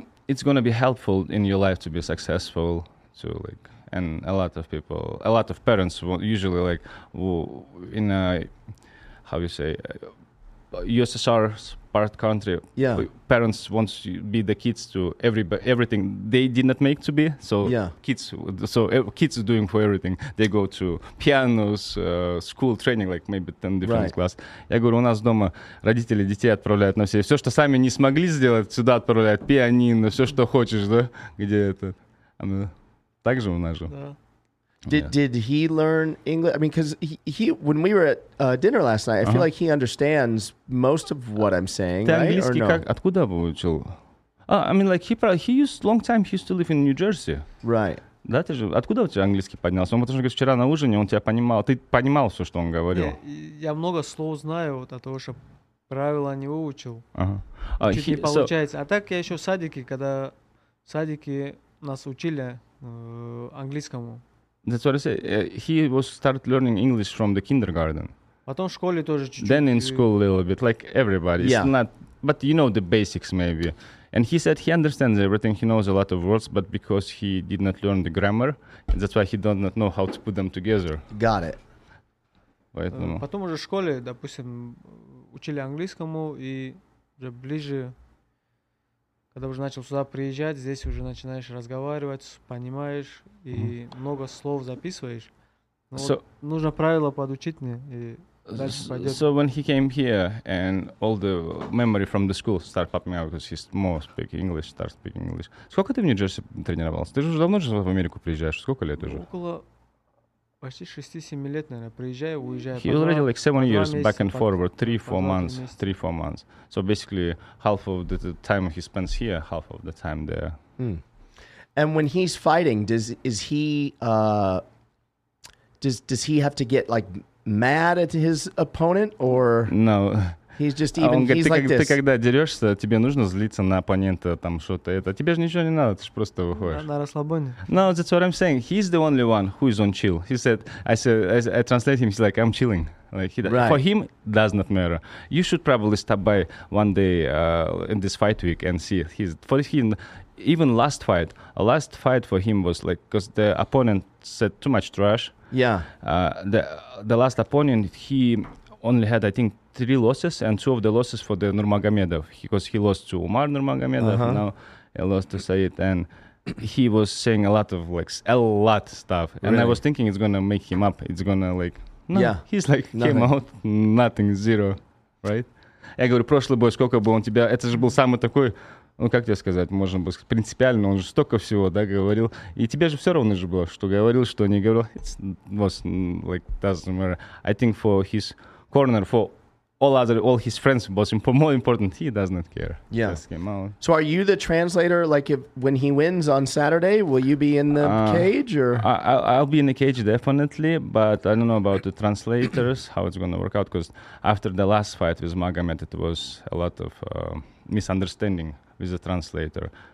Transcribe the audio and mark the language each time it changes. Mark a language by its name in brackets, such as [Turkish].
[English] it's going to be helpful in your life to be successful, to like, and a lot of people, a lot of parents will usually like, in a, how you say, USSR's part country, yeah, parents want to be the kids to everything they did not make to be. So yeah, kids are doing for everything. They go to pianos, school training, like maybe 10 different right. class. [Russian] Я говорю, у нас дома родители детей отправляют на все что сами не смогли сделать, сюда отправляют пианино, все что хочешь, да? Где это? Оно также у нас же. [English] Did he learn English? I mean, because he when we were at dinner last night, I feel like he understands most of what I'm saying, [Russian] ты [English] right? [Russian] Английский [English] or no? [Russian] Как? Откуда выучил? [English] I mean, like, he used long time, he used to live in New Jersey. Right. [Russian] Да, ты же, откуда у тебя английский поднялся? Он потому что, говорит, вчера на ужине он тебя понимал, ты понимал все, что он говорил. Я много слов знаю вот, от того, что правила не выучил. Ага. Чуть не получается. [English] So... [Russian] А так я еще в садике, когда в садике нас учили английскому. [English] That's what I say. He was start learning English from the kindergarten. [Russian] Потом в школе тоже чуть-чуть. [English] Then in school a little bit, like everybody. Yeah. It's not, but you know the basics maybe. And he said he understands everything. He knows a lot of words, but because he did not learn the grammar, that's why he does not know how to put them together. Got it. [Russian] Поэтому. Потом уже в школе, допустим, учили английскому и уже ближе. Когда уже начал сюда приезжать, здесь уже начинаешь разговаривать, понимаешь и много слов записываешь. [English] So, [Russian] вот нужно правила подучить мне и дальше пойдет. [English] So when he came here and all the memory from the school start popping out because he's more speaking English, start speaking English. [Russian] Сколько ты в Нью-Джерси тренировался? Ты же уже давно же в Америку приезжаешь. Сколько лет уже? Около почти 6-7 лет, наверное, приезжаю, уезжаю. [English] He already like 7 years back and forward, 3-4 months, 3-4 months. So basically, half of the time he spends here, half of the time there. Mm. And when he's fighting, does he have to get like mad at his opponent or? No. He's just even, he's [Russian] говорит, [English] like [Russian] ты, [English] this. [Russian] Ты когда дерешься, тебе нужно злиться на оппонента, там что-то это. Тебе же ничего не надо, ты же просто выходишь. На расслабоне. [English] No, that's what I'm saying. He's the only one who is on chill. He said, I translate him, he's like, I'm chilling. Like he, right. For him, does not matter. You should probably stop by one day in this fight week and see. He's, for him, even last fight for him was like, because the opponent said too much trash. Yeah. The last opponent, he only had, I think, 3 losses and 2 of the losses for the Nurmagomedov, because he lost to Umar Nurmagomedov, uh-huh. Now he lost to Said, and he was saying a lot of stuff. Really? And I was thinking it's gonna make him up. It's gonna like, no, yeah. He's like nothing. Came out nothing, zero, right? [Russian] Я говорю, прошлый бой, сколько бы он тебя, это же был самый такой, ну как тебе сказать, можно было сказать, принципиально, он же столько всего, да, говорил, и тебе же все равно же было, что говорил, что не говорил. [English] It was like, doesn't matter. I think for his corner, for all his friends, but more important, he does not care. Yeah. Just came out. So are you the translator? Like, if when he wins on Saturday, will you be in the cage? Or I'll be in the cage, definitely. But I don't know about the translators, how it's going to work out. Because after the last fight with Magomed, it was a lot of misunderstanding with the translator.